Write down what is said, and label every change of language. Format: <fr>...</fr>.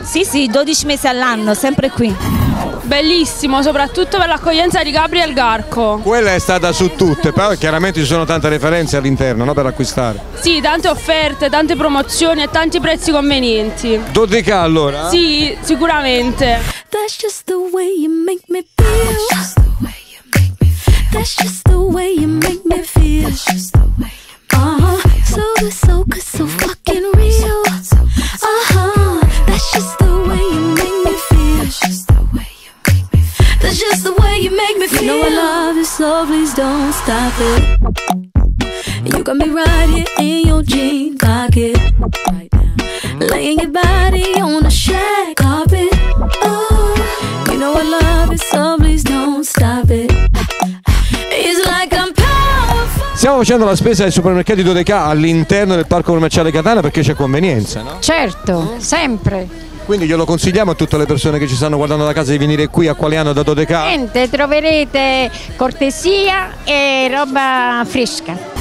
<it>Sì, sì, 12 mesi all'anno, sempre qui. Bellissimo, soprattutto per l'accoglienza di Gabriel Garco. Quella è stata su tutte, però chiaramente ci sono tante referenze all'interno, no, per acquistare. Sì, tante offerte, tante promozioni e tanti prezzi convenienti. Dodeca allora? Sì, sicuramente.</it> <en>That's just the way you make me feel. That's just the way you make me feel. That's just the way you make me feel. That's just the way you make me feel. Uh-huh. So good, so good, so fucking real. Uh-huh. That's just the way you make me feel. That's just the way you make me feel. That's just the way you make me feel. You know I love you, so please don't stop it. You got me right here in your jean pocket. Right now. Laying your body on a shag carpet. Oh, you know I love it, so please don't stop it. It's like I'm powerful.</en> <it>Stiamo facendo la spesa ai supermercati Dodeca all'interno del parco commerciale Catania perché c'è convenienza, no? Certo, sempre. Quindi glielo consigliamo a tutte le persone che ci stanno guardando da casa di venire qui a Qualiano da Dodeca? Niente, troverete cortesia e roba fresca.</it>